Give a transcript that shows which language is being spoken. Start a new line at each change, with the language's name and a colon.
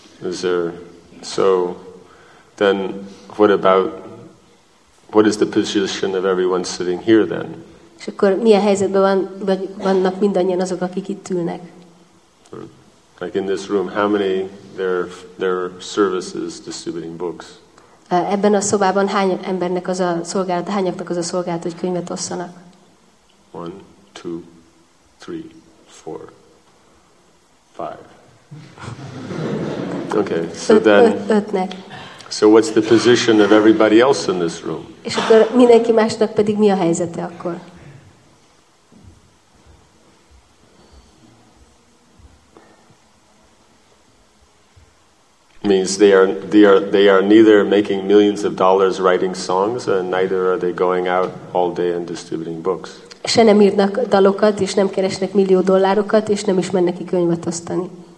English: Is there, so then what about, what is the position of everyone sitting here then?
Hungarian: És akkor milyen helyzetben van, vagy vannak mindannyian azok, akik itt ülnek?
English: Like in this room, how many their services distributing books?
Hungarian: Ebben a szobában hány embernek az a szolgálat, hányaknak az a szolgálat, hogy könyvet osszanak?
English: 1, 2, 3, 4, 5. Okay, so then.
Hungarian: Ötnek.
English: So what's the position of everybody else in this room?
Hungarian: És akkor mindenki másnak pedig mi a helyzete akkor?
English: Means they are neither making millions of dollars writing songs, and neither are they going out all day and distributing books.
Hungarian: Se nem írnak dalokat, és nem keresnek millió dollárokat, és nem is mennek ki könyvet osztani.